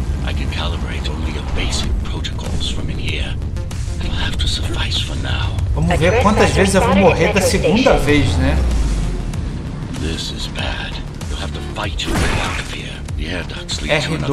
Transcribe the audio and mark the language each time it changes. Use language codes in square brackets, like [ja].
[en] I can calibrate only your basic protocols from in here. It'll have to suffice for now. [pt] Vamos ver quantas vezes eu vou morrer da segunda vez, né? [en] This is bad. Have to fight your way out of here. The air ducts lead to another